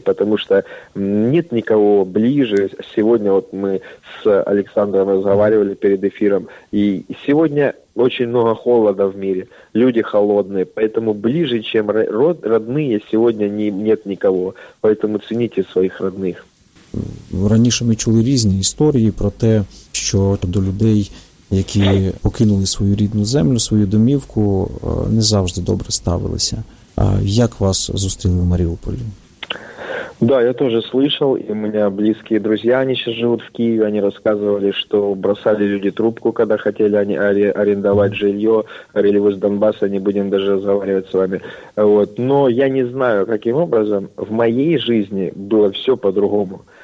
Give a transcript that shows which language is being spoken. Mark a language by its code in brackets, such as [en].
[ru] Потому что нет никого ближе. Сегодня вот мы с Александром разговаривали перед эфиром, и сегодня очень много холода в мире, люди холодные, поэтому ближе, чем родные, сегодня нет никого, поэтому цените своих родних. [uk] Раніше ми чули різні історії про те, що до людей, які покинули свою рідну землю, свою домівку, не завжди добре ставилися. А як вас зустріли в Маріуполі? [ru] Да, я тоже слышал, и у меня близкие друзья, они сейчас живут в Киеве, они рассказывали, что бросали люди трубку, когда хотели они арендовать жилье, говорили, вы с Донбасса, не будем даже разговаривать с вами. Вот. Но я не знаю, каким образом в моей жизни было все по-другому.